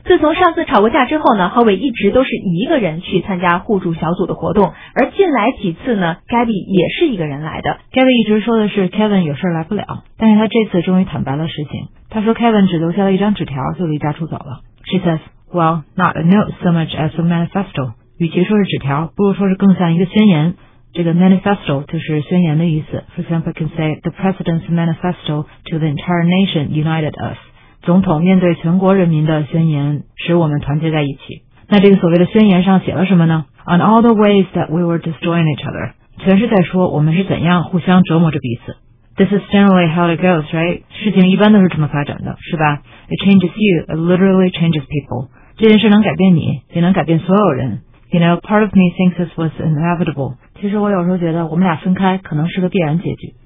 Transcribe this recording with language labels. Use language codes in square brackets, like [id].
[zh] 自从上次吵过架之后呢， Howie 一直都是一个人去参加互助小组的活动，而近来几次呢， Gabby 也是一个人来的。 Gabby 一直说的是 Kevin 有事来不了，但是他这次终于坦白了实情。他说 Kevin 只留下了一张纸条就离家出走了。 [en] She says, well, not a note so much as a manifesto. [zh] 与其说是纸条，不如说是更像一个宣言。这个 manifesto 就是宣言的意思。 [en] For example, I can say the president's manifesto to the entire nation united us. [zh] 总统面对全国人民的宣言使我们团结在一起。那这个所谓的宣言上写了什么呢？ [en] On all the ways that we were destroying each other. [zh] 全是在说我们是怎样互相折磨着彼此。 [en] This is generally how it goes, right? [zh] 事情一般都是这么发展的，是吧？ [en] It changes you, it literally changes people. [zh] 这件事能改变你，也能改变所有人。 [en] You know, part of me thinks this was inevitable. [zh] 其实我有时候觉得我们俩分开可能是个必然结局。